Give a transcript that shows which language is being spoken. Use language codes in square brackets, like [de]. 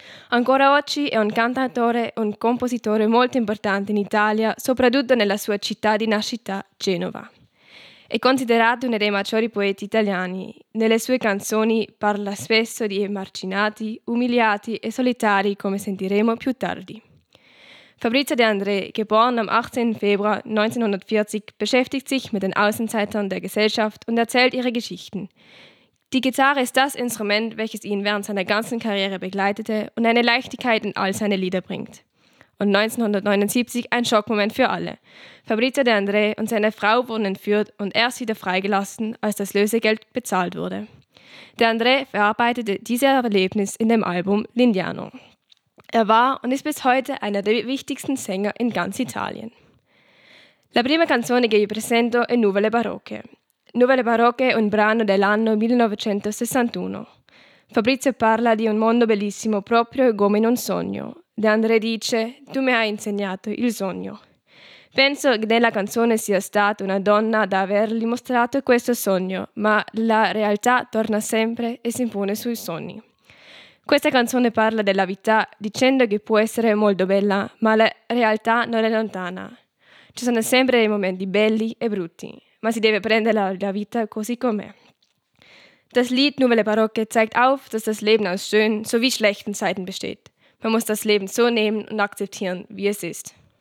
[it] Ancora oggi è un cantautore e un compositore molto importante in Italia, soprattutto nella sua città di nascita, Genova. È considerato uno dei maggiori poeti italiani. Nelle sue canzoni parla spesso di emarginati, umiliati e solitari, come sentiremo più tardi. [de] Fabrizio De André, geboren am 18. Februar 1940, beschäftigt sich mit den Außenseitern der Gesellschaft und erzählt ihre Geschichten. Die Gitarre ist das Instrument, welches ihn während seiner ganzen Karriere begleitete und eine Leichtigkeit in all seine Lieder bringt. Und 1979 ein Schockmoment für alle. Fabrizio De André und seine Frau wurden entführt und erst wieder freigelassen, als das Lösegeld bezahlt wurde. De André verarbeitete dieses Erlebnis in dem Album L'Indiano. Er war und ist bis heute einer der wichtigsten Sänger in ganz Italien. [it] La prima canzone che vi presento è Nuvole Barocche. Nuvole Barocche è un brano dell'anno 1961. Fabrizio parla di un mondo bellissimo proprio come in un sogno. De André dice: «Tu mi hai insegnato il sogno». Penso che nella canzone sia stata una donna ad avergli mostrato questo sogno, ma la realtà torna sempre e si impone sui sogni. Questa canzone parla della vita dicendo che può essere molto bella, ma la realtà non è lontana. Ci sono sempre dei momenti belli e brutti, ma si deve prendere la vita così com'è. [de] Das Lied Nuvole Barocche zeigt auf, dass das Leben aus schönen sowie schlechten Zeiten besteht. Man muss das Leben so nehmen und akzeptieren, wie es ist.